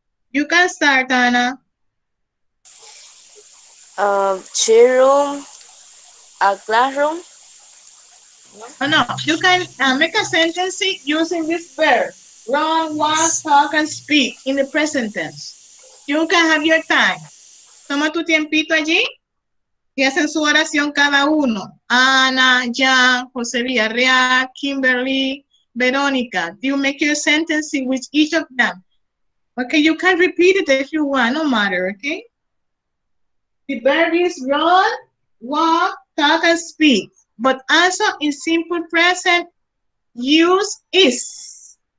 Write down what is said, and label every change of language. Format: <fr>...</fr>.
<en>You can start, Ana. Chair room, a classroom. Oh, no, you can make a sentence using this verb. Run, walk, talk, and speak in the present tense. You can have your time.</en> <es>Toma tu tiempito allí y hacen su oración cada uno.</es> <en>Ana, Jean, José Villarreal, Kimberly, Verónica. Do you make your sentence with each of them? Okay, you can repeat it if you want, no matter, okay? The verb is run, walk, talk, and speak. But also in simple present, use is.</en>